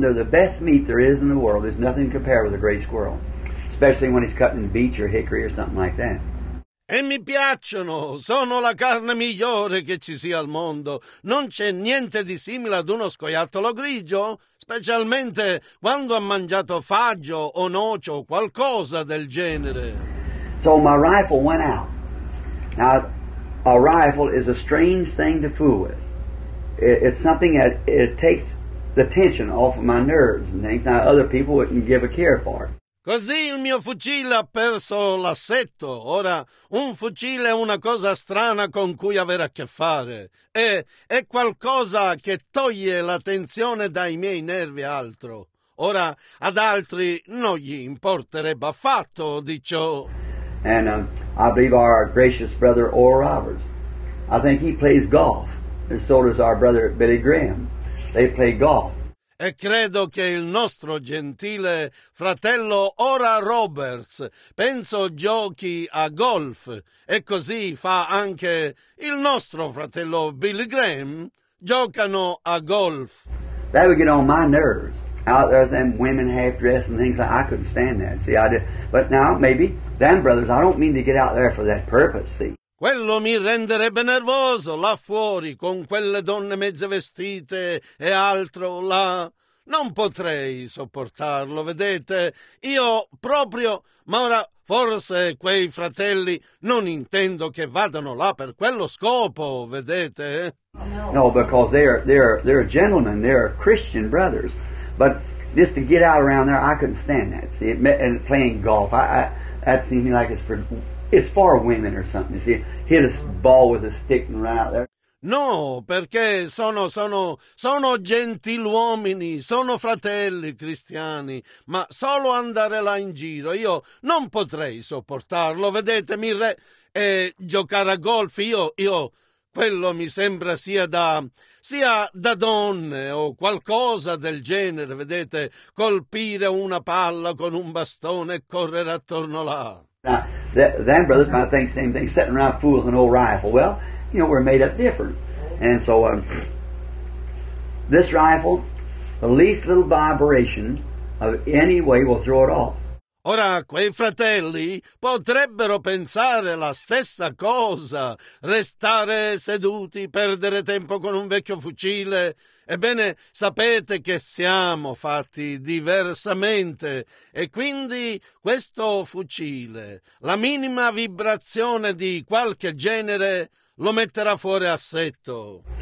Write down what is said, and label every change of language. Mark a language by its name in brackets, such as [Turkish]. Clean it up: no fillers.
[English] They're the best meat there is in the world. There's nothing compared with a gray squirrel, especially when he's cutting beech or hickory or something like that. [Italian] E mi piacciono, sono la carne migliore che ci sia al mondo. Non c'è niente di simile ad uno scoiattolo grigio, specialmente quando ha mangiato faggio o noce o qualcosa del genere. [English] So my rifle went out. Now, a rifle is a strange thing to fool with. It's something that it takes the tension off of my nerves and things. Now other people wouldn't give a care for it. [Italian] Così il mio fucile ha perso l'assetto. Ora, un fucile è una cosa strana con cui avere a che fare. È qualcosa che toglie la tensione dai miei nervi altro. Ora, ad altri non gli importerebbe affatto di ciò. [English] And I believe our gracious brother Oral Roberts. I think he plays golf. And so does our brother Billy Graham. They play golf. [Italian] E credo che il nostro gentile fratello Oral Roberts, penso giochi a golf, e così fa anche il nostro fratello Billy Graham, giocano a golf. [English] That would get on my nerves. Out there them women half dressed and things like that, I couldn't stand that. See, I did. But now maybe them brothers, I don't mean to get out there for that purpose, see. [Italian] Quello mi renderebbe nervoso là fuori con quelle donne mezze vestite e altro là. Non potrei sopportarlo, vedete? Io proprio... Ma ora, forse quei fratelli non intendo che vadano là per quello scopo, vedete? [English] No, because they're gentlemen, they're Christian brothers. But just to get out around there, I couldn't stand that. See, and playing golf, that seemed like it's for... It's for women or something, you see. Hit a ball with a stick and run out there. [Italian] No, perché sono gentiluomini, sono fratelli cristiani, ma solo andare là in giro, io non potrei sopportarlo, vedete, giocare a golf, io, quello mi sembra sia da donne o qualcosa del genere, vedete, colpire una palla con un bastone e correre attorno là. [English] Them brothers might think the same thing, sitting around fools with an old rifle. Well, you know, we're made up different. And so this rifle, the least little vibration of any way will throw it off. [Italian] Ora, quei fratelli potrebbero pensare la stessa cosa, restare seduti, perdere tempo con un vecchio fucile. Ebbene, sapete che siamo fatti diversamente, e quindi questo fucile, la minima vibrazione di qualche genere, lo metterà fuori assetto.